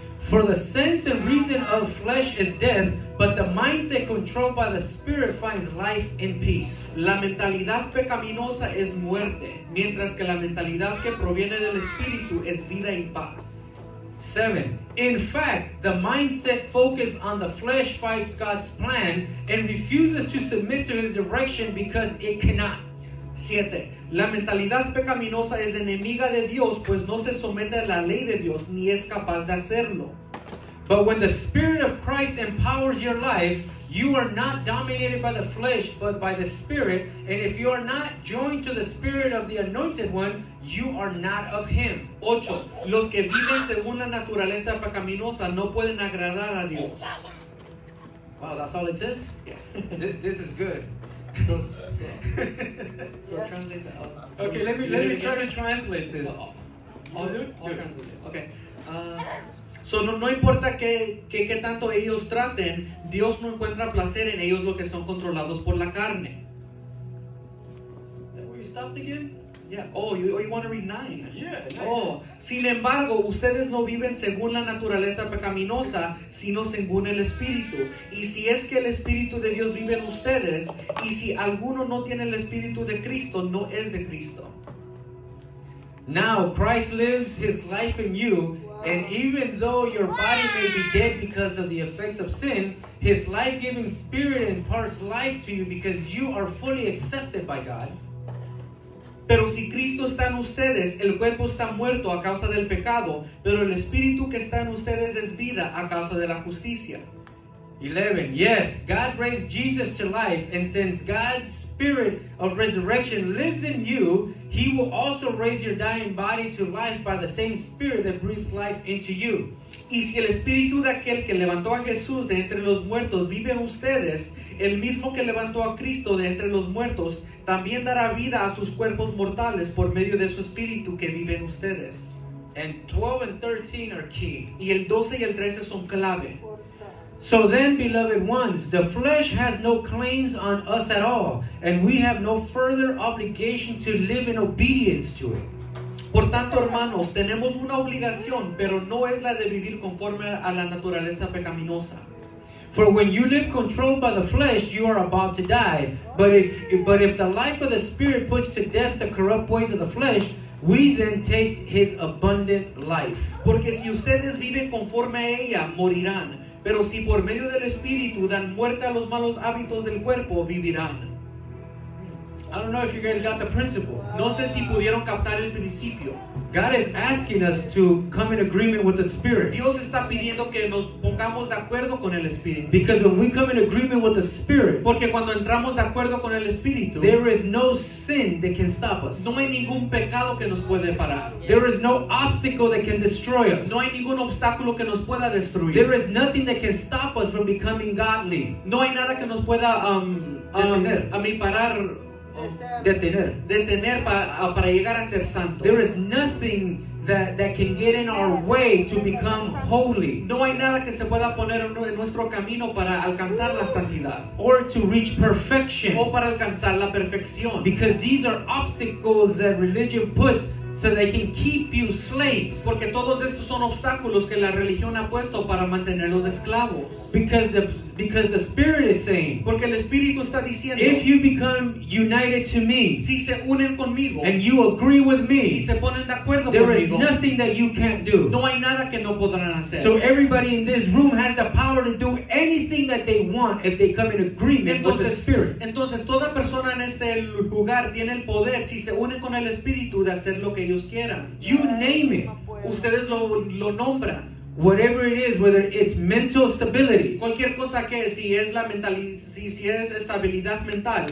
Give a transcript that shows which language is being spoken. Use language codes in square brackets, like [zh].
[en] For the sense and reason of flesh is death, but the mindset controlled by the Spirit finds life and peace. [es] La mentalidad pecaminosa es muerte, mientras que la mentalidad que proviene del Espíritu es vida y paz. [en] 7. In fact, the mindset focused on the flesh fights God's plan and refuses to submit to His direction because it cannot. 7. [es] La mentalidad pecaminosa es enemiga de Dios, pues no se somete a la ley de Dios ni es capaz de hacerlo. [en] But when the Spirit of Christ empowers your life, you are not dominated by the flesh, but by the Spirit. And if you are not joined to the Spirit of the Anointed One, you are not of Him. 8. [es] Los que viven según la naturaleza pecaminosa no pueden agradar a Dios. [en] Wow, that's all it says? Yeah. This is good. So yeah. Translate that. Okay, let me try to translate this. I'll translate it. Okay. [es] So no importa qué tanto ellos traten, Dios no encuentra placer en ellos lo que son controlados por la carne. [en] Then where you stopped again? Yeah. Oh, you want to read 9? Yeah. [es] Oh, sin embargo, ustedes no viven según la naturaleza pecaminosa, sino según el Espíritu. Y si es que el Espíritu de Dios vive en ustedes, y si alguno no tiene el Espíritu de Cristo, no es de Cristo. [en] Now Christ lives His life in you, and even though your body may be dead because of the effects of sin, His life-giving Spirit imparts life to you because you are fully accepted by God. [es] Pero si Cristo está en ustedes, el cuerpo está muerto a causa del pecado, pero el Espíritu que está en ustedes es vida a causa de la justicia. [en] 11. Yes, God raised Jesus to life, and since God's Spirit of resurrection lives in you, He will also raise your dying body to life by the same Spirit that breathes life into you. [es] Y si el Espíritu de aquel que levantó a Jesús de entre los muertos vive en ustedes, el mismo que levantó a Cristo de entre los muertos también dará vida a sus cuerpos mortales por medio de su Espíritu que vive en ustedes. [en] And 12 and 13 are key. [es] Y el 12 y el 13 son clave. [en] So then, beloved ones, the flesh has no claims on us at all, and we have no further obligation to live in obedience to it. [es] Por tanto, hermanos, tenemos una obligación, pero no es la de vivir conforme a la naturaleza pecaminosa. [en] For when you live controlled by the flesh, you are about to die. But if the life of the Spirit puts to death the corrupt ways of the flesh, we then taste His abundant life. [es] Porque si ustedes viven conforme a ella, morirán. Pero si por medio del Espíritu dan muerte a los malos hábitos del cuerpo, vivirán. [en] I don't know if you guys got the principle. [es] No sé si pudieron captar el principio. [en] God is asking us to come in agreement with the Spirit. [es] Dios está pidiendo que nos pongamos de acuerdo con el Espíritu. [en] Because when we come in agreement with the Spirit, [es] porque cuando entramos de acuerdo con el Espíritu, [en] there is no sin that can stop us. [es] No hay ningún pecado que nos puede parar. [en] There is no obstacle that can destroy us. [es] No hay ningún obstáculo que nos pueda destruir. [en] There is nothing that can stop us from becoming godly. [es] No hay nada que nos pueda parar. Detener para llegar a ser santo. [en] There is nothing that can get in our way to become holy. [es] No hay nada que se pueda poner en nuestro camino para alcanzar la santidad. [en] Or to reach perfection. [es] O para alcanzar la perfección. [en] Because these are obstacles that religion puts so they can keep you slaves. [es] Porque todos estos son obstáculos que la religión ha puesto para mantenerlos esclavos. [en] Because the Spirit is saying, [es] porque el Espíritu está diciendo, [en] if you become united to me, [es] si se unen conmigo, [en] and you agree with me, [es] y se ponen de acuerdo [en] there [es] conmigo, [en] is nothing that you can't do. [es] No hay nada que no podrán hacer. [en] So everybody in this room has the power to do anything that they want if they come in agreement [es] entonces, [en] with the Spirit. [es] Entonces toda persona en este lugar tiene el poder si se une con el Espíritu de hacer lo que ellos quieran. [en] You name it. [es] Ustedes lo nombran. [en] Whatever it is, whether it's mental stability. [es] Cualquier cosa que si es la si es estabilidad mental.